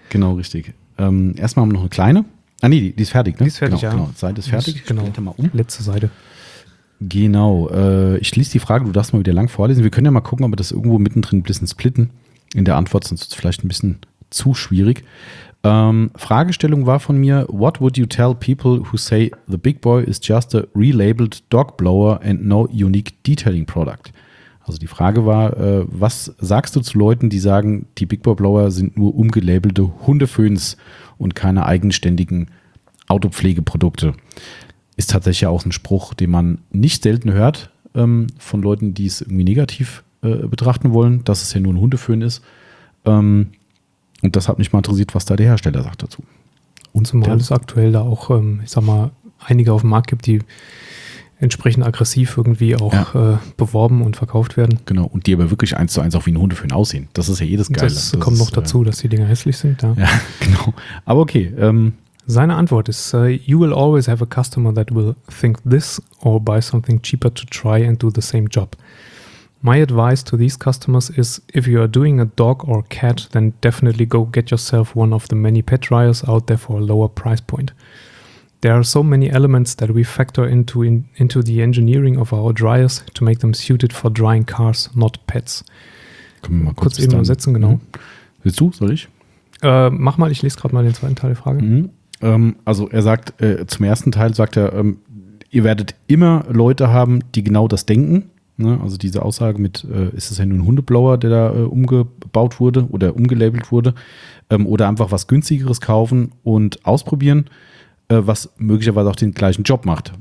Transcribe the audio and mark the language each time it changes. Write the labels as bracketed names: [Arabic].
[German] Genau, richtig. Erstmal haben wir noch eine kleine. Ah nee, die ist fertig, ne? Die ist fertig, genau. Seite ist fertig. Genau. Ich mal Letzte Seite. Genau, ich lese die Frage, du darfst mal wieder lang vorlesen. Wir können ja mal gucken, ob wir das irgendwo mittendrin ein bisschen splitten in der Antwort, sonst ist es vielleicht ein bisschen zu schwierig. Fragestellung war von mir, [English] what would you tell people who say the big boy is just a relabeled dog blower and no unique detailing product? [German] Also die Frage war, was sagst du zu Leuten, die sagen, die Big Boy Blower sind nur umgelabelte Hundeföhns und keine eigenständigen Autopflegeprodukte? Ist tatsächlich auch ein Spruch, den man nicht selten hört von Leuten, die es irgendwie negativ betrachten wollen, dass es ja nur ein Hundeföhn ist. Und das hat mich mal interessiert, was da der Hersteller sagt dazu. Und zumal es aktuell da auch, ich sag mal, einige auf dem Markt gibt, die entsprechend aggressiv irgendwie auch beworben und verkauft werden. Genau, und die aber wirklich eins zu eins auch wie ein Hundeföhn aussehen. Das ist ja jedes Geile. Das kommt noch dazu, dass die Dinger hässlich sind. Ja, ja, genau. Aber okay, seine Antwort ist, [English] you will always have a customer that will think this or buy something cheaper to try and do the same job. My advice to these customers is, if you are doing a dog or cat, then definitely go get yourself one of the many pet dryers out there for a lower price point. There are so many elements that we factor into the engineering of our dryers to make them suited for drying cars, not pets. [German] Können wir mal kurz eben übersetzen, genau. Mhm. Willst du, soll ich? Mach mal, ich lese gerade mal den zweiten Teil der Frage. Mhm. Also er sagt, zum ersten Teil sagt er, ihr werdet immer Leute haben, die genau das denken, Ne? Also diese Aussage mit, ist es ja nur ein Hundeblower, der da umgebaut wurde oder umgelabelt wurde, oder einfach was Günstigeres kaufen und ausprobieren, was möglicherweise auch den gleichen Job macht.